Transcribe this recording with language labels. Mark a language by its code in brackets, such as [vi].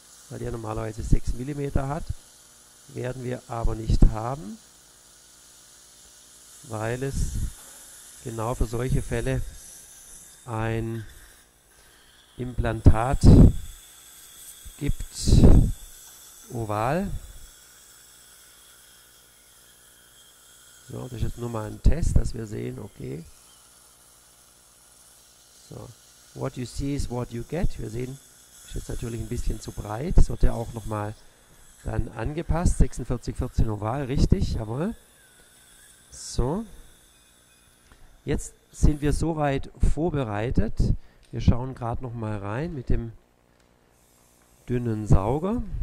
[de] Weil der normalerweise 6 mm hat. Werden wir aber nicht haben, weil es genau für solche Fälle ein Implantat gibt, oval. So, das ist jetzt nur mal ein Test, dass wir sehen, okay. [en] So, what you see is what you get. [de] Wir sehen, das ist jetzt natürlich ein bisschen zu breit. Das wird ja auch nochmal dann angepasst. 4614 oval, richtig, jawohl. So. Jetzt sind wir soweit vorbereitet. Wir schauen gerade noch mal rein mit dem dünnen Sauger.